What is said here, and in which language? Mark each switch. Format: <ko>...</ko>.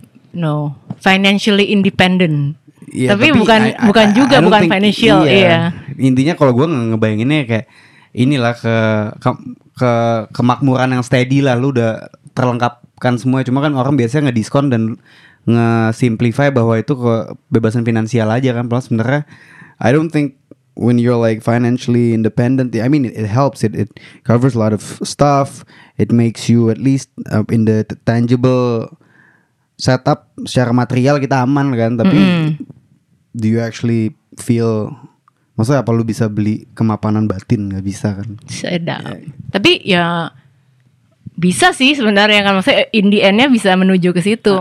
<en>No, financially independent.</en> <id>Ya, tapi bukan juga, bukan financial, iya. Intinya kalau gue ngebayanginnya kayak inilah ke kemakmuran yang steady lah, lu udah terlengkapkan semua. Cuma kan orang biasanya ngediskon dan nge-simplify bahwa itu kebebasan finansial aja kan. Plus sebenarnya</id> <en>I don't think when you're like financially independent, I mean it helps, it covers a lot of stuff, it makes you at least in the tangible setup</en> <id>secara material kita aman kan,</id> <en>tapi do you actually feel,</en> <id>maksudnya apa lu bisa beli kemapanan batin? Gak bisa kan. Sedap. Tapi ya bisa sih sebenarnya kan, maksudnya in the end-nya bisa menuju ke situ.</id>